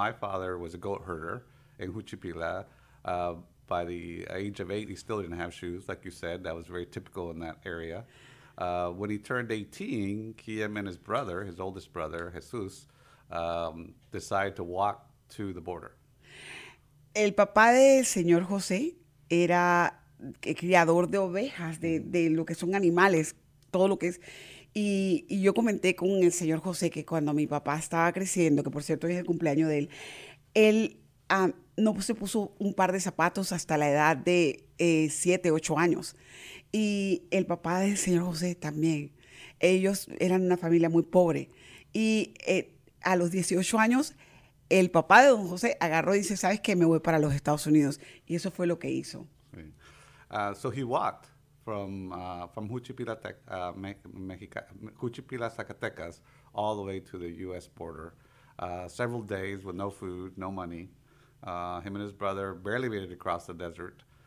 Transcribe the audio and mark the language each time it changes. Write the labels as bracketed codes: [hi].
[en] My father was a goat herder in Juchipila. By the age of 8, he still didn't have shoes, like you said. That was very typical in that area. When he turned 18, Kim and his brother, his oldest brother, Jesus, decided to walk to the border. [es] El papá de señor José era criador de ovejas, de lo que son animales, todo lo que es. Y yo comenté con el señor José que cuando mi papá estaba creciendo, que por cierto es el cumpleaños de él, él no se puso un par de zapatos hasta la edad de 7, 8 años. Y el papá del señor José también. Ellos eran una familia muy pobre. Y a los 18 años, el papá de don José agarró y dice, ¿sabes qué? Me voy para los Estados Unidos. Y eso fue lo que hizo. Sí. [en] So he walked from Juchipila, Zacatecas, all the way to the U.S. border. Several days with no food, no money. Him and his brother barely made it across the desert.